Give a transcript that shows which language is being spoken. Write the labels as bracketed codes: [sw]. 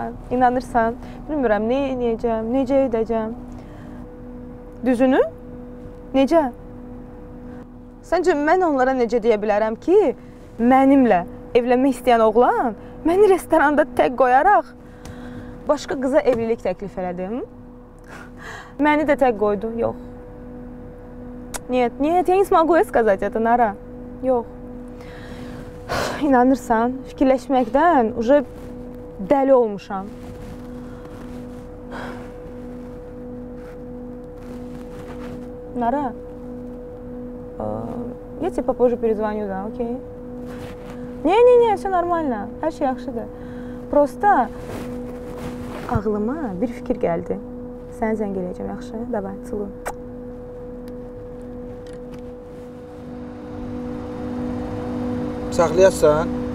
[az] İnanırsan, bilmirəm nə edəcəm, necə edəcəm. Düzünü? Necə? Səncə mən onlara necə deyə bilərəm ki, mənimlə evlənmək istəyən oğlan məni restoranda tək qoyaraq başqa qıza evlilik təklif elədim. Məni də tək qoydu, yox. [ru] Нет, нет, я не смогу сказать это, Нара. [az] Yox. İnanırsan, fikirləşməkdən [ru] уже [az] dəli olmuşam. [ru] Нара, я тебе попозже перезвоню, да, окей? Не-не-не, все нормально, [az] her şey yaxşıdır. [ru] Просто [az] ağlıma bir fikir gəldi. Sənə zəng eləyəcəm, yaxşı? [ru] Давай, целую. [az] Saxlayasan?